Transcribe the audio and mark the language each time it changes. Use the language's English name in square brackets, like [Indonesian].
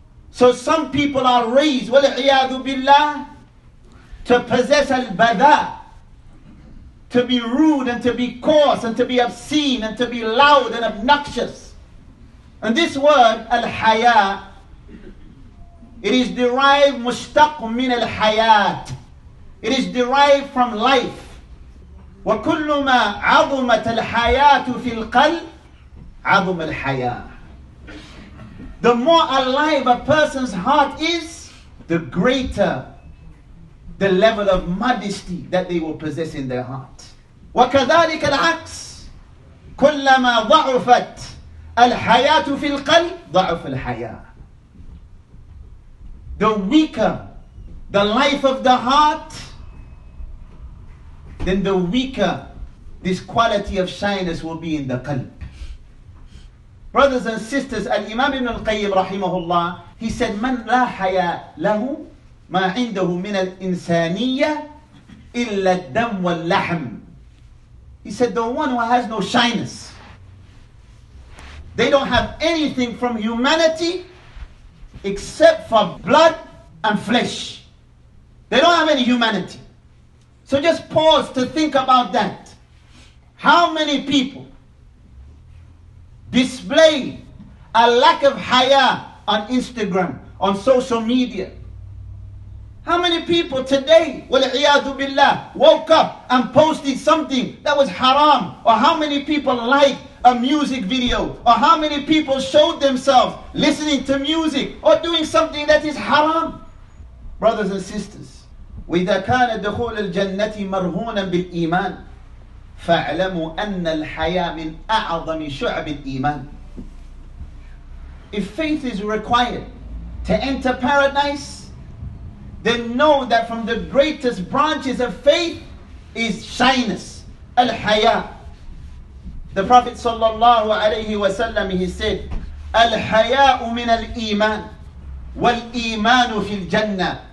[English] So some people are raised, wal-iyadu billah, to possess al-bada, to be rude and to be coarse and to be obscene and to be loud and obnoxious. And this word, al-haya, it is derived [Arabic] مشتق من الحياة. [English] It is derived from life. [Arabic] وكل ما عظمت الحياة في القلب عظم الحياة. [English] The more alive a person's heart is, the greater the level of modesty that they will possess in their heart. [Arabic] وكذلك العكس كلما ضعفت الحياة في القلب ضعف الحياة. [English] The weaker the life of the heart, then the weaker this quality of shyness will be in the qalb. Brothers and sisters, Al-Imam Ibn Al-Qayyim rahimahullah, he said, [Arabic] مَنْ لَا حَيَا لَهُ مَا عِنْدَهُ مِنَ الْإِنسَانِيَّةِ إِلَّا الدَّمْ وَاللَّحْمِ. [English] He said, the one who has no shyness, they don't have anything from humanity except for blood and flesh. They don't have any humanity. So just pause to think about that. How many people display a lack of haya on Instagram, on social media? How many people today, wal-iyadu billah, woke up and posted something that was haram? Or how many people like a music video, or how many people showed themselves listening to music or doing something that is haram? Brothers and sisters, [Arabic] وَإِذَا كَانَ دُخُولَ الْجَنَّةِ مَرْهُونًا بِالْإِيمَانِ. فاعلموا أن الحياء من أعظم شعب الإيمان. [English] If faith is required to enter paradise, then know that from the greatest branches of faith is shyness, al-haya. The Prophet sallallahu alayhi wa sallam, he said, [Arabic] al-haya'u min al-iman, wal-imanu fil jannah.